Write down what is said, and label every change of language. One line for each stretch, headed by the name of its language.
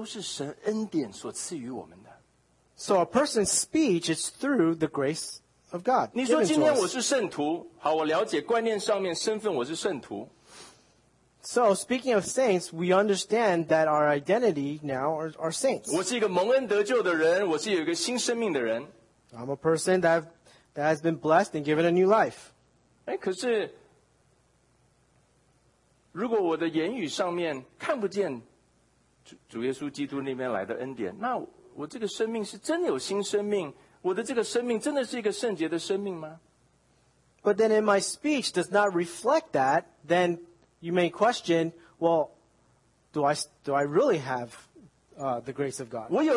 Chinese: 你看到吗？连一个人连说话的呈现都是神恩典所赐予我们的。
English: So a person's speech is through the grace of Jesus. Of God.
Chinese: 你说今天我是圣徒，好，我了解观念上面身份，我是圣徒。
English: So speaking of saints, we understand that our identity now are saints.
Chinese: 我是一个蒙恩得救的人，我是有一个新生命的人。
English: I'm a person that has been blessed and given a new life.
Chinese: 哎，可是如果我的言语上面看不见主耶稣基督那边来的恩典，那我这个生命是真的有新生命？我的这个生命真的是一个圣洁的生命吗？
English: But then in my speech does not reflect that, then you may question, well, do I really have the grace of God?